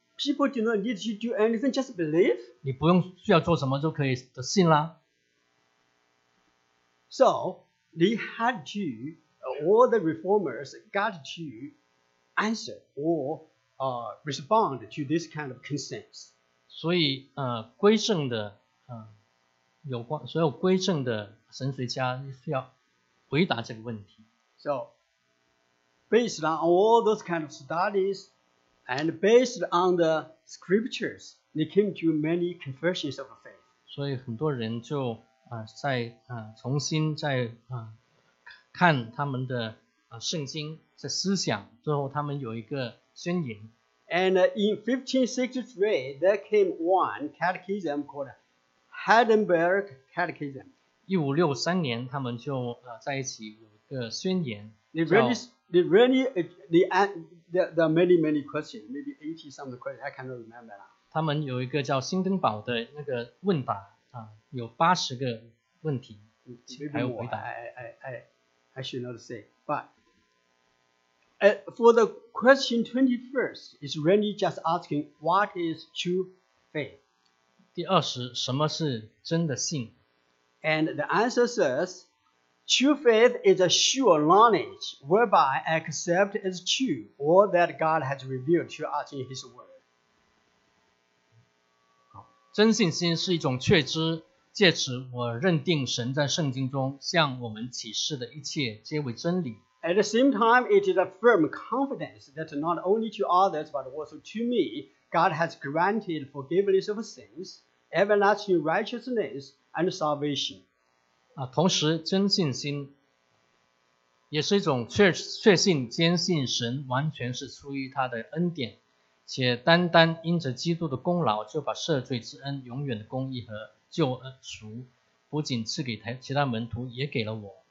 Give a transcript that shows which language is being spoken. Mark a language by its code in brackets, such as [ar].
[en] People do not need to do anything, just believe. [zh] 你不用需要做什么就可以的信啦。 [en] So they had to, all the reformers got to answer or respond to this kind of consensus. [zh] 所以归正的有关所有归正的神学家需要回答这个问题。 [en] So, based on all those kind of studies and based on the scriptures, they came to many confessions of faith. [zh] 所以很多人就在重新在看他们的圣经在思想，最后他们有一个宣言。 [en] And in 1563, there came one catechism called Heidelberg Catechism. [zh] 1563年，他们就在一起有一个宣言。 [en] There are many, many questions, maybe 80 some of the questions, I cannot remember. [zh] 他们有一个叫新登堡的那个问答，有80个问题，还有回答。 [en] I should not say, but... For the question 21st, it's really just asking what is true faith. [zh] 第二十，什么是真的信？ [en] And the answer says, true faith is a sure knowledge whereby I accept as true all that God has revealed to us in His Word. [zh] 真信心是一种确知，借此我认定神在圣经中向我们启示的一切皆为真理。 [en] At the same time, it is a firm confidence that not only to others, but also to me, God has granted forgiveness of sins, everlasting righteousness, and salvation. [zh] 同时真信心也是一种 确信坚信神完全是出于他的恩典且单单因着基督的功劳就把赦罪之恩永远的公义和救赎不仅赐给其他门徒也给了我